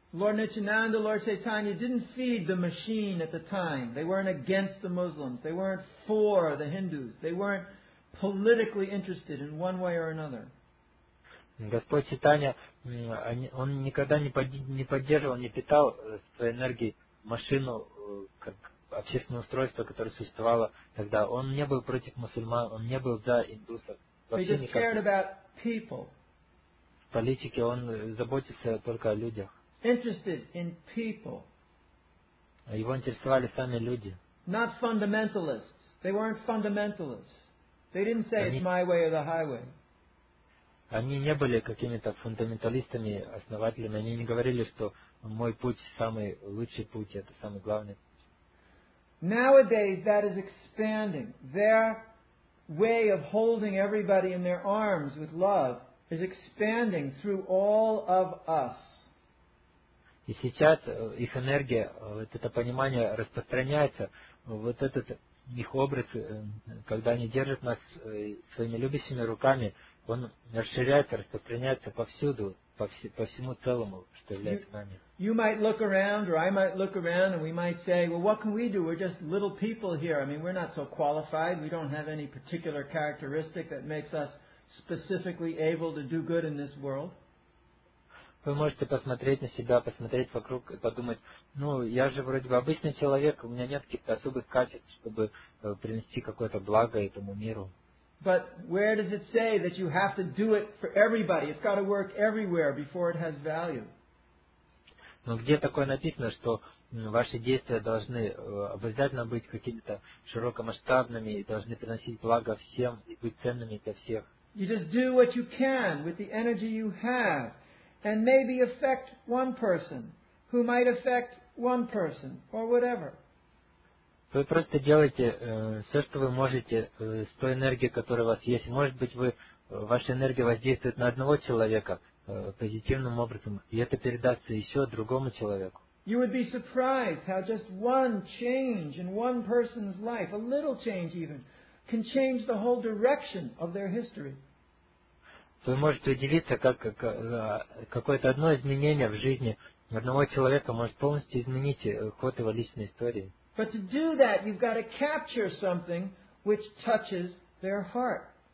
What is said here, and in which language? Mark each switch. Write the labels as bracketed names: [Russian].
[English] Lord Nityananda, Lord Chaitanya didn't feed the machine at the time. They weren't against the Muslims. They weren't for the Hindus. They weren't politically interested in one way or another. [Russian] Господь Читания, он никогда не поддерживал, не питал своей энергией машину, как общественное устройство, которое существовало тогда. Он не был против мусульман, он не был за индусов. Вообще никак. [English] He just cared about people. [Russian] В политике он заботился только о людях. [English] Interested in people. [Russian] Его интересовали сами люди. [English] Not fundamentalists. They weren't fundamentalists. They didn't say it's my way or the highway. [Russian] Они не были какими-то фундаменталистами, основателями. Они не говорили, что мой путь самый лучший путь, это самый главный путь. [English] Nowadays that is expanding. Their way of holding everybody in their arms with love is expanding through all of us. [Russian] И сейчас их энергия, вот это понимание распространяется. Вот этот их образ, когда они держат нас своими любящими руками, он расширяется, распространяется повсюду, по всему целому, что является нами. [English] You might look around, or I might look around, and we might say, well, what can we do? We're just little people here. I mean, we're not so qualified. We don't have any particular characteristic that makes us specifically able to do good in this world. [Russian] Вы можете посмотреть на себя, посмотреть вокруг и подумать, ну, я же вроде бы обычный человек, у меня нет каких-то особых качеств, чтобы принести какое-то благо этому миру. [English] But where does it say that you have to do it for everybody? It's got to work everywhere before it has value. [Russian] Но где такое написано, что ваши действия должны обязательно быть какими-то широкомасштабными и должны приносить благо всем и быть ценными для всех? [English] You just do what you can with the energy you have and maybe affect one person who might affect one person or whatever. [Russian] Вы просто делаете все, что вы можете с той энергией, которая у вас есть. Может быть, ваша энергия воздействует на одного человека позитивным образом, и это передастся еще другому человеку. [English] You would be surprised how just one change in one person's life, a little change even, can change the whole direction of their history. [Russian] Вы можете удивиться, как какое-то одно изменение в жизни одного человека может полностью изменить ход его личной истории. [English] But to do that, you've got to capture something which touches their heart.